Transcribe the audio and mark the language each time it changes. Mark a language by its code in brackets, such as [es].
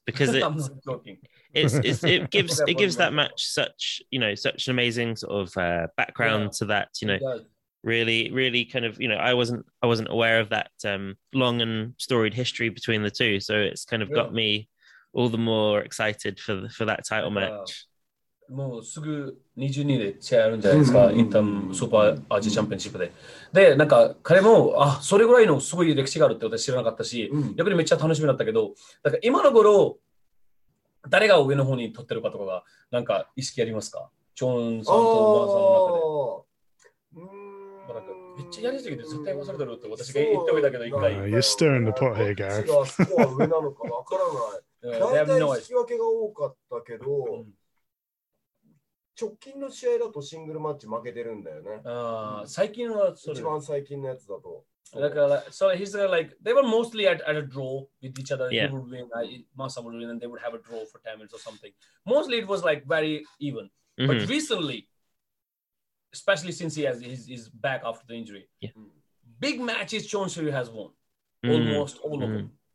[en] because it gives that match such an amazing sort of background to that, you know, really, really kind of, you know, I wasn't aware of that long and storied history between the two, so it's kind of got me all the more excited for that title match. [ja] もうすぐ22年で試合あるんじゃないですか、インターンスーパーアジアチャンピオンシップで。で、なんか彼も、あ、それぐらいのすごい歴史があるって私知らなかったし、やっぱりめっちゃ楽しみだったけど、だから今の頃、誰が上の方に取ってるかとかが、なんか意識ありますか、チョンさんとマーさんの中で。めっちゃやりすぎて絶対忘れてるって私が言っておいたけど、一回。 [en] You're stirring the pot here, Gareth. [ja] 次はスコア上なのかわからない。だいたい引き分けが多かったけど、直近の試合だとシングルマッチ負けてるんだよね。最近は一番最近のやつだと。だから、 [en] so he's like they were mostly at a draw with each other. He would win, Masa would win, and they would have a draw for 10 minutes or something. Mostly it was like very even. But recently, especially since he has his back after the injury, big matches Chon Sui has won almost all of them.